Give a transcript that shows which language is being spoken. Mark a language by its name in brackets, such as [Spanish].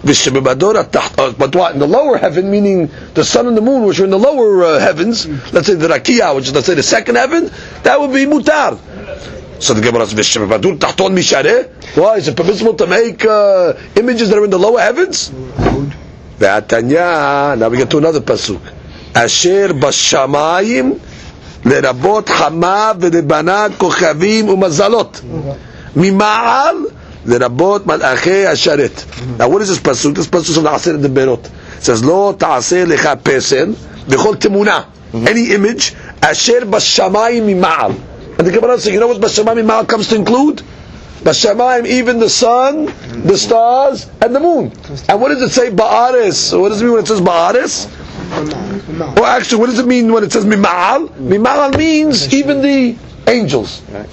[English] But what? In the lower heaven, meaning the sun and the moon, which are in the lower heavens, let's say the Rakia, which is, let's say, the second heaven, that would be mutar. So the Gemara says, why? Is it permissible to make images that are in the lower heavens? Now we get to another pasuk. [Hebrew] Asher bashamayim. לרבות חמה ולבנה כוכבים ומזלות ממעל לרבות מלאכי השרת. [English] Now what is this pasuk? This pasuk of the עשרת דיברות. It says [Hebrew] לא תעשה לך פסל וכל תמונה, [English] any image [Hebrew] אשר בשמיים ממעל. [English] And the Gemara says, you know what [Hebrew] בשמיים ממעל [English] comes to include? בשמיים, even the sun, the stars and the moon. And what does it say בארץ? What does it mean when it says בארץ? Well, actually, what does it mean when it says mima'al? Mima'al means even the angels. Right.